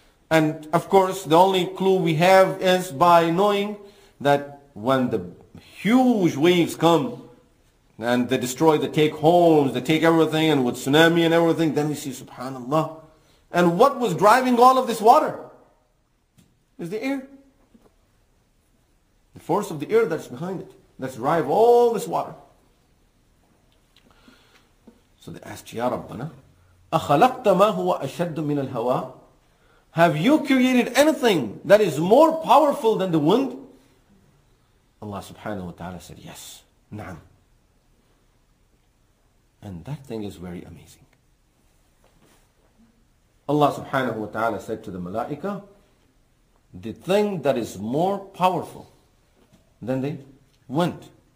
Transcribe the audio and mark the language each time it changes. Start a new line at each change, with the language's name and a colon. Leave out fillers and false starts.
English: And of course, the only clue we have is by knowing that when the huge waves come, and they destroy, they take homes, they take everything, and with tsunami and everything, then we see subhanAllah. And what was driving all of this water? Is the air. The force of the air that's behind it, that's drive all this water.
Arabic: So they asked, Ya Rabbana, أَخَلَقْتَ مَا هُوَ أَشَدُّ مِنَ الْهَوَىٰ.
English: Have you created anything that is more powerful than the wind? Allah subhanahu wa ta'ala said, yes, na'am. And that thing is very amazing. Allah subhanahu wa ta'ala said to the malaika, the thing that is more powerful than the wind.